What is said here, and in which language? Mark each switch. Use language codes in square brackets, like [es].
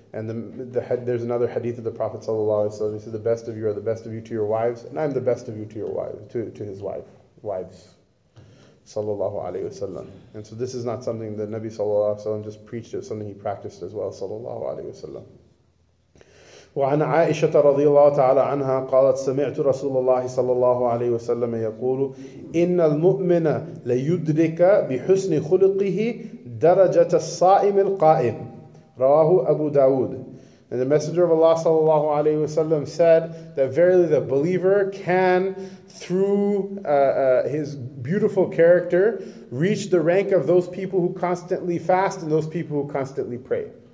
[en] And there's another hadith of the Prophet sallallahu alaihi wasallam. He says, "The best of you are the best of you to your wives, and I'm the best of you to your wife, to his wives, sallallahu alaihi wasallam." And so this is not something that Nabi sallallahu alaihi wasallam just preached; it's something he practiced as well, sallallahu alaihi wasallam. [ar] وعن عائشة رضي الله تعالى عنها قالت سمعت رسول الله صلى الله عليه وسلم يقول إن المؤمن ليدرك بحسن خلقه درجة الصائم القائم رواه أبو داود. [en] And the Messenger of Allah [ar] صلى الله عليه وسلم [en] said that verily the believer can through his beautiful character reach the rank of those people who constantly fast and those people who constantly pray.